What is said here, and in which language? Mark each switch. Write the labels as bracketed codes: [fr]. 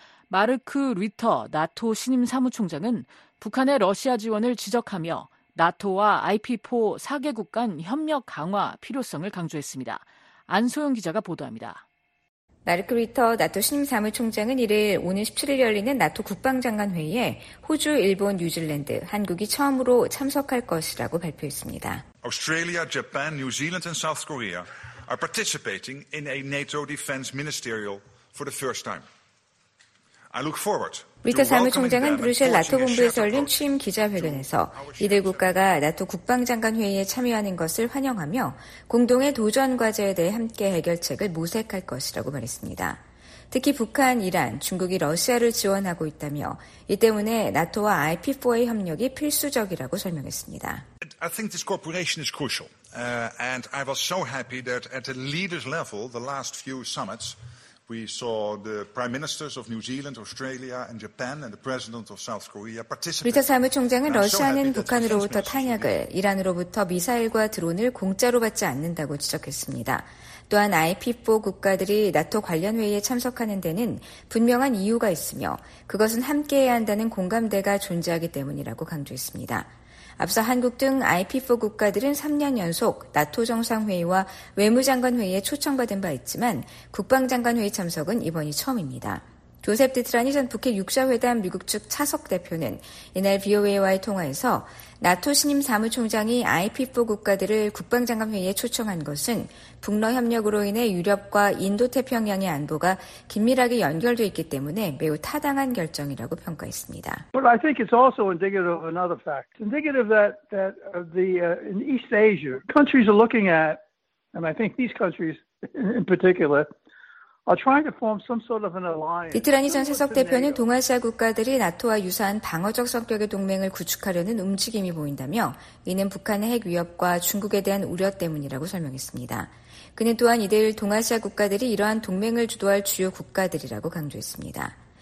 [ko] 마르크 리터 나토 신임 사무총장은 북한의 러시아 지원을 지적하며 나토와 IP4 4개국 간 협력 강화 필요성을 강조했습니다. 안소영 기자가 보도합니다. 마르크 리터 나토 신임 사무총장은 이를 오는 17일 열리는 나토 국방장관회의에 호주, 일본, 뉴질랜드, 한국이 처음으로 참석할 것이라고 발표했습니다. [en] Australia, Japan, New Zealand and South Korea are participating in a NATO defense ministerial for the first time. I look forward. [ko] 리터 사무총장은 브뤼셀 나토 본부에서 열린 취임 기자회견에서 이들 국가가 나토 국방장관 회의에 참여하는 것을 환영하며 공동의 도전 과제에 대해 함께 해결책을 모색할 것이라고 말했습니다. 특히 북한, 이란, 중국이 러시아를 지원하고 있다며 이 때문에 나토와 IP4의 협력이 필수적이라고 설명했습니다. [en] I think this cooperation is crucial. And I was so happy that at the leaders level, the last few summits, we saw the prime ministers of New Zealand, Australia, and Japan, and the president of South Korea participate. [ko] 리터 사무총장은 러시아는 북한으로부터 탄약을, 이란으로부터 미사일과 드론을 공짜로 받지 않는다고 지적했습니다. 또한 IP4 국가들이 나토 관련 회의에 참석하는 데는 분명한 이유가 있으며 그것은 함께해야 한다는 공감대가 존재하기 때문이라고 강조했습니다. 앞서 한국 등 IP4 국가들은 3년 연속 나토 정상회의와 외무장관 회의에 초청받은 바 있지만 국방장관 회의 참석은 이번이 처음입니다. 조셉 디트라니 전 북핵 6자회담 미국 측 차석 대표는 이날 VOA와의 통화에서 나토 신임 사무총장이 IP4 국가들을 국방장관 회의에 초청한 것은 북러 협력으로 인해 유럽과 인도태평양의 안보가 긴밀하게 연결돼 있기 때문에 매우 타당한 결정이라고 평가했습니다. [en] But I think it's also indicative of another fact. It's indicative that the in East Asia countries are looking at, and I think these countries in particular. [ko] 디트라니 전 차석 대표는 동아시아 국가들이 나토와 유사한 방어적 성격의 동맹을 구축하려는 움직임이 보인다며 이는 북한의 핵 위협과 중국에 대한 우려 때문이라고 설명했습니다. 그는 또한 이들 동아시아 국가들이 이러한 동맹을 주도할 주요 국가들이라고 강조했습니다.